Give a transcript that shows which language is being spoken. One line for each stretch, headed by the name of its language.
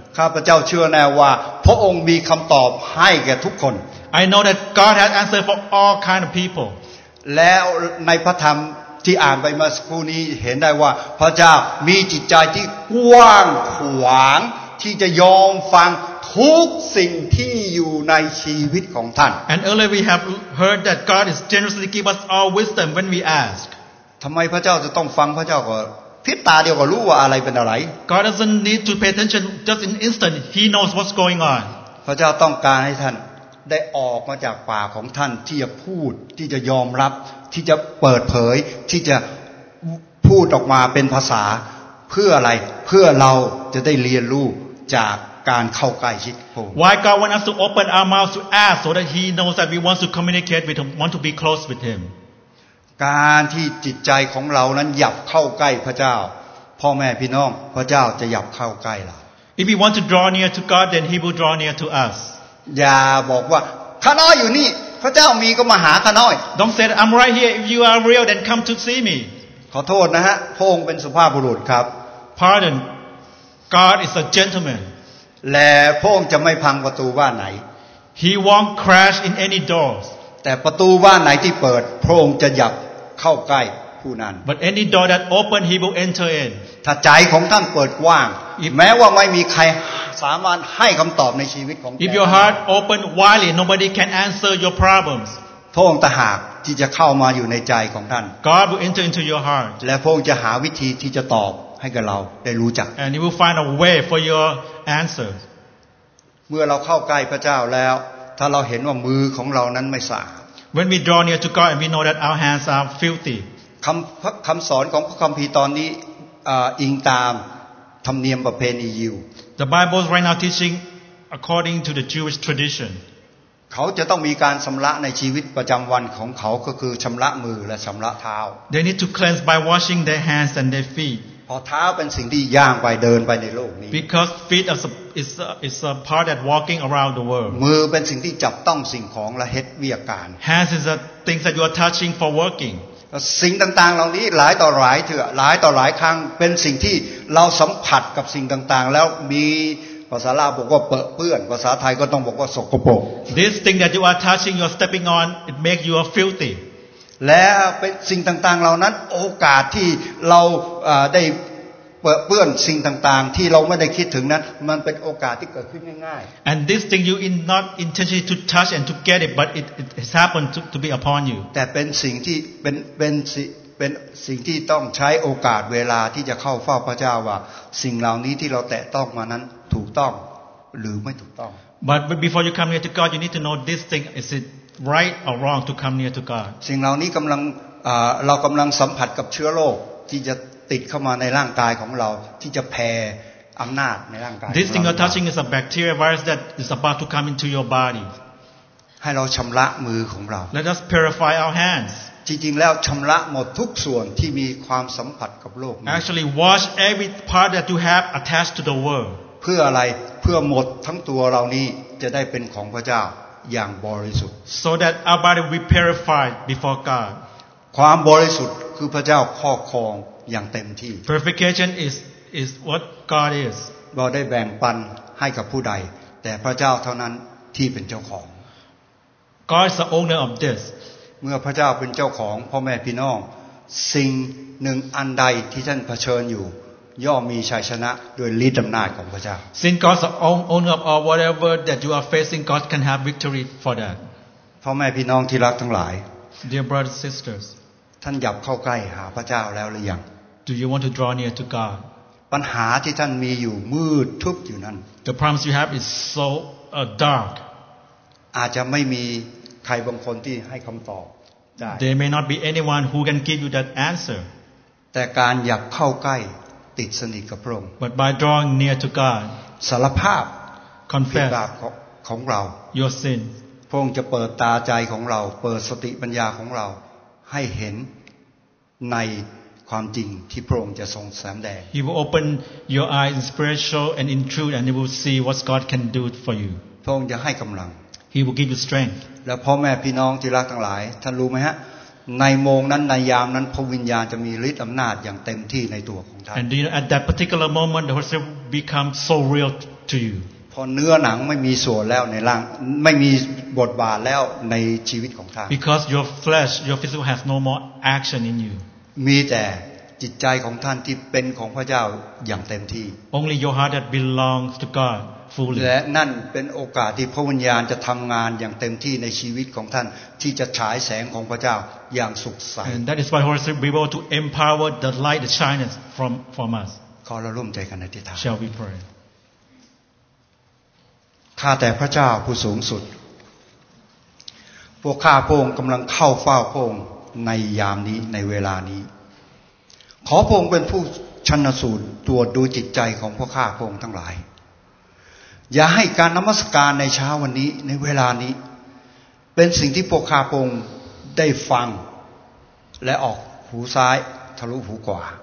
Thai: ข้าพเจ้าเชื่อแน่ว่าพระองค์มีคำตอบให้แก่ทุกคน
English: I know that God has answer for all kind of people
Thai: แล้วในพระธรรมที่อ่านไปเมื่อสักครู่นี้เห็นได้ว่าพระเจ้ามีจิตใจที่กว้างขวางที่จะยอมฟังทุกสิ่งที่อยู่ในชีวิตของท่าน
English: And earlier we have heard that God is generously give us all wisdom when we ask
Thai: ทำไมพระเจ้าจะต้องฟังพระเจ้าก็พิษตาเดียวก็รู้ว่าอะไรเป็นอะไร
English: God doesn't need to pay attention just in instant He knows what's going on
Thai: พระเจ้าต้องการให้ท่านได้ออกมาจากปากของท่านที่จะพูดที่จะยอมรับที่จะเปิดเผยที่จะพูดออกมาเป็นภาษาเพื่ออะไรเพื่อเราจะได้เรียนรู้จากการเข้าใกล้ชิดพระองค์
English: Why God want us to open our mouths to ask so that He knows that we want to communicate with Him want to be close with Him
Thai: การที่จิตใจของเรานั้นหยับเข้าใกล้พระเจ้าพ่อแม่พี่น้องพระเจ้าจะหยับเข้าใกล้เรา
English: If we want to draw near to God then He will draw near to us
Thai: อย่าบอกว่าข้าน้อยอยู่นี่พระเจ้ามีก็มาหาข้าน้อย
English: Don't say I'm right here if you are real then come to see me
Thai: ขอโทษนะฮะพระองค์เป็นสุภาพบุรุษครับ
English: Pardon God is a gentleman
Thai: และพระองค์จะไม่พังประตูบ้านไหน
English: He won't crash in any doors
Thai: แต่ประตูบ้านไหนที่เปิดพระองค์จะหยับเข้าใกล้ผู้นั้น
English: But any door that open he will enter in
Thai: ถ้าใจของท่านเปิดกว้างแม้ว่าไม่มีใครสามารถให้คำตอบในชีวิตของ
English: If your heart open widely nobody can answer your problems
Thai: พระองค์ตะหากที่จะเข้ามาอยู่ในใจของท่าน
English: God will enter into your heart
Thai: และพระองค์จะหาวิธีที่จะตอบให้กับเราได้รู้จัก
English: And he will find a way for your answer
Thai: เมื่อเราเข้าใกล้พระเจ้าแล้วถ้าเราเห็นว่ามือของเรานั้นไม่สะอาด
English: When we draw near to God and we know that our hands are filthy
Thai: คำสอนของพระคัมภีร์ตอนนี้อิงตามธรรมเนียมประเพณียิว
English: The Bible is right now teaching according to the Jewish tradition.
Thai: เขาจะต้องมีการชำระในชีวิตประจำวันของเขาก็คือชำระมือและชำระเท้า
English: They need to cleanse by washing their hands and their feet.
Thai: พอเท้าเป็นสิ่งที่ย่างไปเดินไปในโลกนี้
English: Because feet is a part that walking around the world.
Thai: มือเป็นสิ่งที่จับต้องสิ่งของและเฮ็ดเวียกการ
English: Hands is a thing that you are touching for working.
Thai: สิ่งต่างๆเหล่านี้หลายต่อหลายเถื่อหลายต่อหลายครั้งเป็นสิ่งที่เราสัมผัสกับสิ่งต่างๆแล้วมีภาษาลาวบอกว่าเปื้อนภาษาไทยก็ต้องบอกว่าสกปรก
English: This thing that you are touching you're stepping on it make you filthy
Thai: และเป็นสิ่งต่างๆเหล่านั้นโอกาสที่เราได้เปื้อนสิ่งต่างๆที่เราไม่ได้คิดถึงนั้นมันเป็นโอกาสที่เกิดขึ้นง่าย
English: ๆ And this thing you in not intentionally to touch and to get it but it has happened to be upon you
Thai: แต่เป็นสิ่งที่เป็นสิ่งที่ต้องใช้โอกาสเวลาที่จะเข้าเฝ้าพระเจ้าว่าสิ่งเหล่านี้ที่เราแตะต้องมานั้นถูกต้องหรือไม่ถูกต้อง
English: But before you come here to God you need to know this thing is itright or wrong to come near to God
Thai: สิ่งเหล่านี้กําลังเรากําลังสัมผัสกับเชื้อโรคที่จะติดเข้ามาในร่างกายของเราที่จะแผ่อํานาจในร่างกาย
English: This thing you're touching is a bacteria virus that is about to come into your body
Thai: ให้เราชําระมือของเรา
English: Let us purify our hands
Thai: จริงๆแล้วชําระหมดทุกส่วนที่มีความสัมผัสกับโรค
English: Actually wash every part that you have attached to the world
Thai: เพื่ออะไรเพื่อหมดทั้งตัวเรานี้จะได้เป็นของพระเจ้าอย่างบริสุทธิ์
English: so that our body will be purified before God
Thai: ความบริสุทธิ์คือพระเจ้าครอบครองอย่างเต็มที่
English: purification is what God is
Thai: เราได้แบ่งปันให้กับผู้ใดแต่พระเจ้าเท่านั้นที่เป็นเจ้าของ
English: God is the owner of this
Thai: เมื่อพระเจ้าเป็นเจ้าของพ่อแม่พี่น้องสิ่งหนึ่งอันใดที่ท่านเผชิญอยู่ย่อมมีชัยชนะด้วยฤทธิ์อำนาจของพระเจ้า
English: Since God's owner of all whatever that you are facing God can have victory for that
Thai: พ่อแม่พี่น้องที่รักทั้งหลาย
English: Dear brothers and sisters
Thai: ท่านหยับเข้าใกล้หาพระเจ้าแล้วหรือยัง
English: Do you want to draw near to God
Thai: ปัญหาที่ท่านมีอยู่มืดทึบอยู่นั้น
English: The problems you have is so dark
Thai: อาจจะไม่มีใครบางคนที่ให้คำตอบได้
English: There may not be anyone who can give you that answer
Thai: แต่การหยับเข้าใกล้ติดสนิทกับพระองค์
English: But by drawing near to God
Thai: สารภาพ
English: Confess
Thai: บาปของเรา
English: Your sin
Thai: พระองค์จะเปิดตาใจของเราเปิดสติปัญญาของเราให้เห็นในความจริงที่พระองค์จะทรงแสดง
English: He will open your eyes in spiritual and in truth and you will see what God can do for you
Thai: พระองค์จะให้กำลัง
English: He will give you strength
Thai: และพ่อแม่พี่น้องที่รักทั้งหลายท่านรู้ไหมฮะในโมงนั้นในยามนั้นพระวิญญาณจะมีฤทธิ์อำนาจอย่างเต็มที่ในตัวของท่าน
English: And you know, at that particular moment the Holy Spirit become so real to you
Thai: พอเนื้อหนังไม่มีส่วนแล้วในร่างไม่มีบทบาทแล้วในชีวิตของท่าน
English: Because your flesh your physical has no more action in you
Thai: มีแต่จิตใจของท่านที่เป็นของพระเจ้าอย่างเต็มที่
English: Only your heart that belongs to God
Thai: และนั่นเป็นโอกาสที่พระวิญญาณจะทำงานอย่างเต็มที่ในชีวิตของท่านที่จะฉายแสงของพระเจ้าอย่างสุขใส
English: And that is why Holy Spirit be able to empower the light that shines from us
Thai: ขอเราร่วมใจกันอธิษฐาน
English: Shall we pray
Thai: ข้าแต่พระเจ้าผู้สูงสุดพวกข้าพระองค์กำลังเข้าเฝ้าพระองค์ในยามนี้ในเวลานี้ขอพระองค์เป็นผู้ชันสูตรตรวจดูจิตใจของพวกข้าพระองค์ทั้งหลายอย่าให้การนมัสการในเช้าวันนี้ในเวลานี้เป็นสิ่งที่พวกข้าพระองค์ได้ฟังและออกหูซ้ายทะลุหูขวา